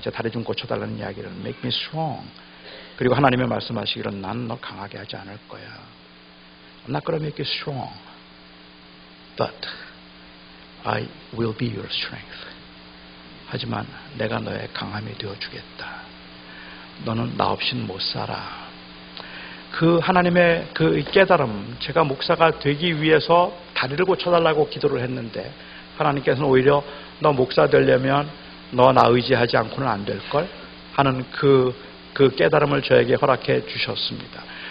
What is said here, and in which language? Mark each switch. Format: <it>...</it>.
<ko>제 다리 좀 고쳐달라는 이야기를</ko> <en>make me strong.</en> <ko>그리고 하나님의 말씀하시기를 난 너 강하게 하지 않을 거야.</ko> <en>I'm not gonna make you strong. But I will be your strength.</en> <ko>하지만 내가 너의 강함이 되어주겠다. 너는 나 없인 못 살아. 그 하나님의 그 깨달음, 제가 목사가 되기 위해서 다리를 고쳐달라고 기도를 했는데 하나님께서는 오히려 너 목사 되려면 너 나 의지하지 않고는 안 될걸 하는 그 깨달음을 저에게 허락해 주셨습니다.</ko>